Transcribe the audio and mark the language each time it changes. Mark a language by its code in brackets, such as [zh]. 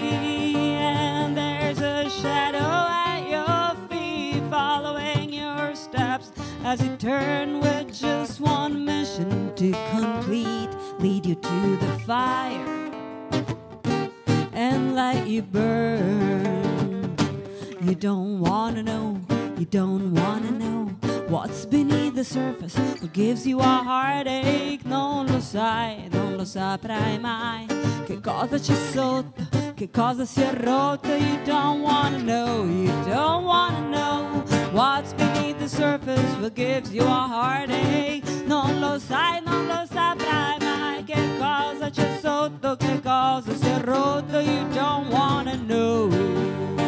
[en] And there's a shadow at your feet, following your steps as you turn with just one mission to complete, lead you to the fire and light you burn. You don't wanna know, you don't wanna know what's beneath the surface, what gives you a heartache. [it] Non lo sai, non lo saprai mai. Che cosa c'è sotto, che cosa si è rotto. [en] You don't wanna know, you don't wanna know what's beneath the surface, what gives you a heartache. [it] Non lo sai, non lo saprai. Che cosa c'è sotto, che cosa si è rotto. [en] You don't wanna know.